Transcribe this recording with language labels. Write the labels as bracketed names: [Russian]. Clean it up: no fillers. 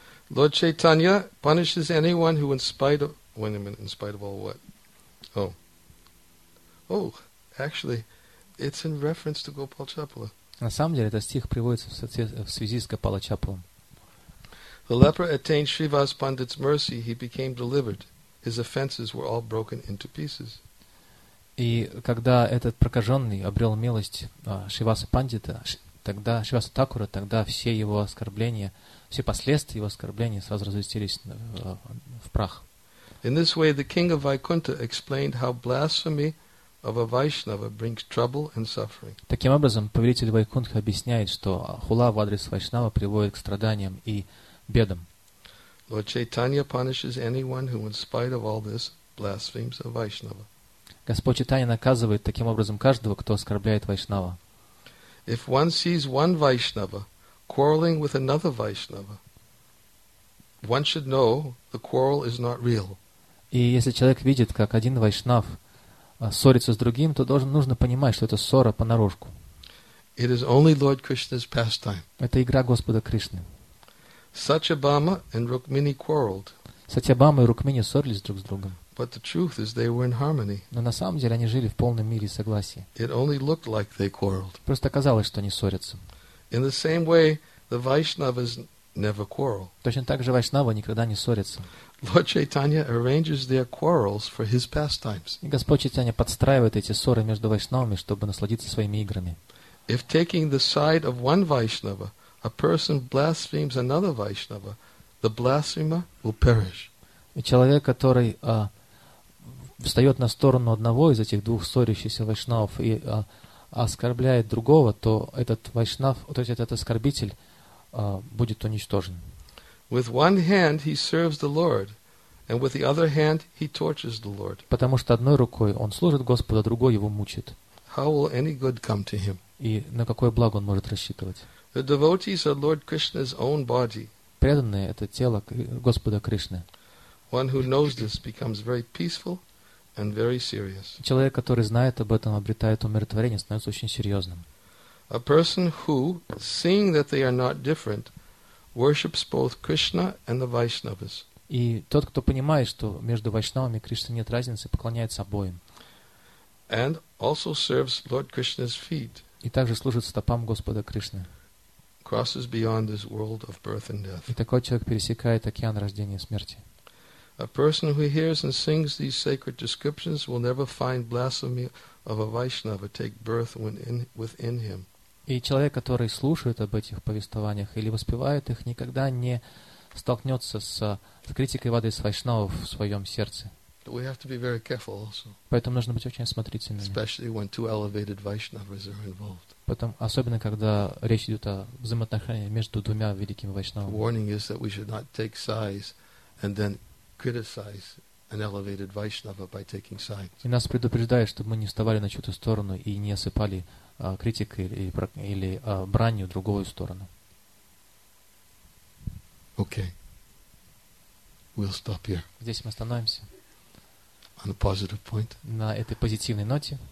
[English] Lord Chaitanya punishes anyone who, in spite of all what? Oh, actually, it's in reference to Gopal Chapala. [Russian] На самом деле, этот стих приводится в связи с Гопала Чапалом. [English] The leper attained Shrivas Pandit's mercy, he became delivered. His offenses were all broken into pieces. [Russian] И когда этот прокаженный обрел милость Шриваса Пандита, тогда Шриваса Такура, тогда все его оскорбления, все последствия его оскорблений сразу разлетелись в прах. [English] In this way, the king of Vaikuntha explained how blasphemy of a Vaishnava brings trouble and suffering. [Russian] Таким образом, повелитель Вайкунтха объясняет, что хула в адрес Вайшнава приводит к страданиям и бедам. [English] Lord Chaitanya punishes anyone who, in spite of all this, blasphemes a Vaishnava. [Russian] Господь Чайтанья наказывает таким образом каждого, кто оскорбляет Вайшнава. [English] If one sees one Vaishnava quarreling with another Vaishnava, one should know the quarrel is not real. [Russian] И если человек видит, как один Вайшнав ссорится с другим, то нужно понимать, что это ссора понарошку. [English] It is only Lord Krishna's pastime. [Russian] Это игра Господа Кришны. [English] Satyabhama and Rukmini quarreled. [Russian] Satyabhama и Rukmini ссорились друг с другом. [English] But the truth is they were in harmony. [Russian] Но на самом деле они жили в полном мире и согласии. [English] It only looked like they quarreled. [Russian] Просто казалось, что они ссорятся. [English] In the same way, the Vaishnavas never quarrel. [Russian] Точно так же Вайшнавы никогда не ссорятся. [English] Lord Chaitanya arranges their quarrels for his pastimes. [Russian] И Господь Чайтанья подстраивает эти ссоры между Вайшнавами, чтобы насладиться своими играми. [English] If taking the side of one Vaishnava, a person blasphemes another Vaishnava, the blasphemer will perish. [Russian] И человек, который встает на сторону одного из этих двух ссорящихся вайшнавов и оскорбляет другого, то этот вайшнав, то есть этот оскорбитель будет уничтожен. [English] With one hand he serves the Lord, and with the other hand he tortures the Lord. [Russian] Потому что одной рукой он служит Господу, а другой его мучит. [English] How will any good come to him? [Russian] И на какое благо он может рассчитывать? [English] The devotees are Lord Krishna's own body. [Russian] Преданные — это тело Господа Кришны. [English] One who knows this becomes very peaceful and very serious. [Russian] Человек, который знает об этом, обретает умиротворение, становится очень серьезным. [English] A person who, seeing that they are not different, worships both Krishna and the Vaishnavas. [Russian] И тот, кто понимает, что между Вайшнавами и Кришной нет разницы, поклоняется обоим. [English] And also serves Lord Krishna's feet. [Russian] И также служит стопам Господа Кришны. [English] Crosses beyond this world of birth and death. [Russian] И такой человек пересекает океан рождения и смерти. [English] A person who hears and sings these sacred descriptions will never find blasphemy of a Vaishnava take birth within him. [Russian] И человек, который слушает об этих повествованиях или воспевает их, никогда не столкнется с критикой в адрес вайшнавов в своем сердце. [English] We have to be very careful also. [Russian] Поэтому нужно быть очень осмотрительными. [English] Especially when two elevated Vaishnavas are involved. [Russian] Потом, особенно когда речь идет о взаимоотношениях между двумя великими вайшнавами. [English] The warning is that we should not take sides and then criticize an elevated Vaishnava by taking sides. [Russian] И нас предупреждают, чтобы мы не вставали на чью-то сторону и не осыпали критикой или бранью другую сторону. [English] Okay. We'll stop here. [Russian] Здесь мы остановимся. [English] On a positive point. [Russian] На этой позитивной ноте.